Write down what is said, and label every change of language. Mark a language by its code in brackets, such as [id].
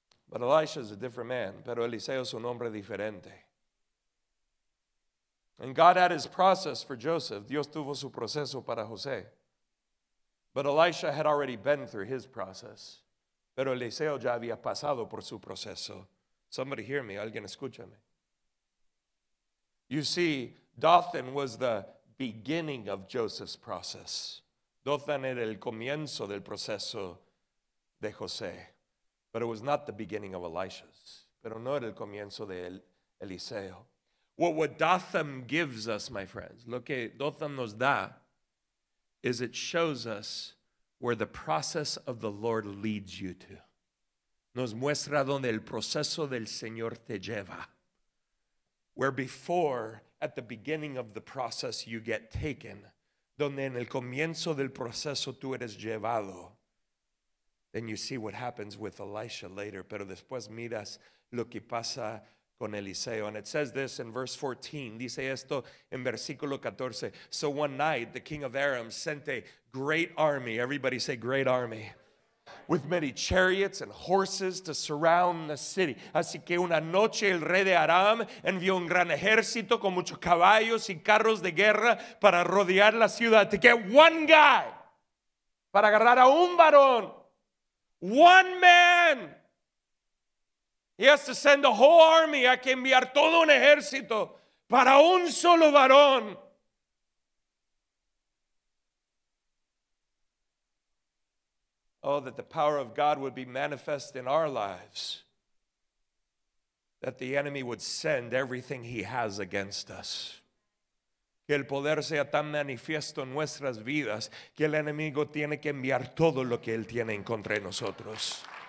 [en] But Elisha is a different man. [es] Pero Eliseo es un hombre diferente. [en] And God had his process for Joseph. [es] Dios tuvo su proceso para José. [en] But Elisha had already been through his process. [es] Pero Eliseo ya había pasado por su proceso. [en] Somebody hear me. [es] Alguien escúchame. [en] You see, Dothan was the beginning of Joseph's process. [es] Dothan era el comienzo del proceso de José. [en] But it was not the beginning of Elisha's. [es] Pero no era el comienzo de Eliseo. [en] What Dothan gives us, my friends, [es] lo que Dothan nos da, [en] is it shows us where the process of the Lord leads you to. [es] Nos muestra donde el proceso del Señor te lleva. [en] Where before, at the beginning of the process, you get taken. [es] Donde en el comienzo del proceso tú eres llevado. [en] Then you see what happens with Elisha later, [es] pero después miras lo que pasa con Eliseo. [en] And it says this in verse 14. [es] Dice esto en versículo 14. [en] So one night the king of Aram sent a great army. Everybody say great army. With many chariots and horses to surround the city. [es] Así que una noche el rey de Aram envió un gran ejército con muchos caballos y carros de guerra para rodear la ciudad. [en] To get one guy. [es] Para agarrar a un varón. [en] One man. He has to send a whole army. [es] Hay que enviar todo un ejército para un solo varón. [en] Oh, that the power of God would be manifest in our lives. That the enemy would send everything he has against us. [es] Que el poder sea tan manifiesto en nuestras vidas que el enemigo tiene que enviar todo lo que él tiene en contra de nosotros.